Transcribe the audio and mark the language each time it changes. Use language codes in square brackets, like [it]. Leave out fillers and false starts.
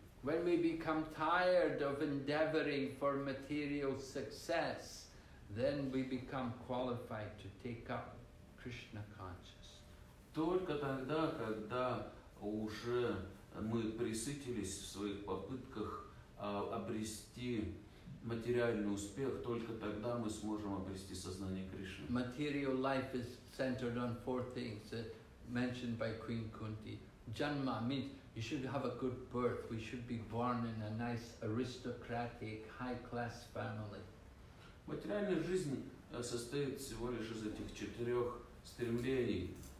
[en] When we become tired of endeavoring for material success, then we become qualified to take up Krishna consciousness. [ru] Только тогда, когда уже мы пресытились в своих попытках обрести материальный успех, только тогда мы сможем обрести сознание Кришны. [en] Material life is centered on four things mentioned by Queen Kunti. Janma means you should have a good birth. We should be born in a nice aristocratic, high-class family. [ru] Материальная жизнь состоит всего лишь из этих четырех стремлений.